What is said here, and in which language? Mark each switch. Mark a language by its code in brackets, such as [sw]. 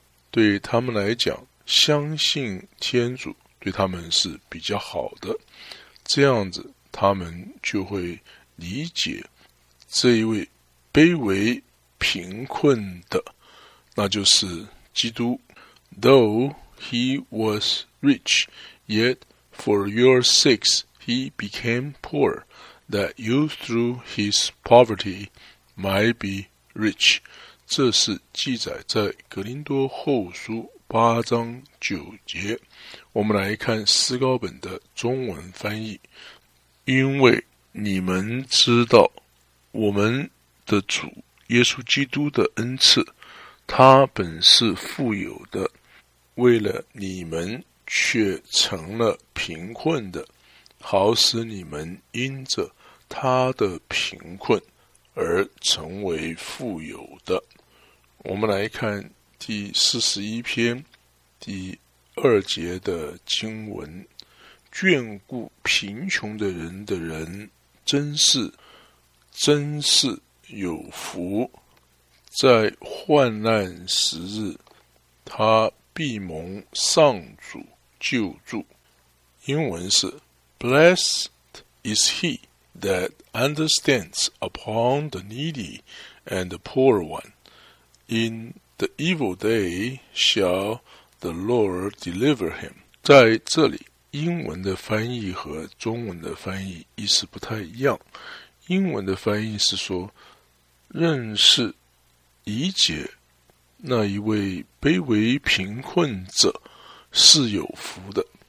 [zh] 对他们来讲，相信天主对他们是比较好的，这样子他们就会理解这一位卑微贫困的，那就是基督。 [en] Though he was rich, yet for your sakes he became poor, that you through his poverty might be rich. [zh] 这是记载在格林多后书八章九节。我们来看思高本的中文翻译。因为你们知道我们的主耶稣基督的恩赐，他本是富有的，为了你们却成了贫困的，好使你们因着他的贫困而成为富有的。我们来看第41篇第二节的经文。眷顾贫穷的人的人，真是有福，在患难时日他必蒙上主救助。 [en] 英文是 Blessed is he that understands upon the needy and the poor one. In the evil day shall the Lord deliver him. [zh] 在这里英文的翻译和中文的翻译意思不太一样。英文的翻译是说，认识、理解那一位卑微贫困者是有福的。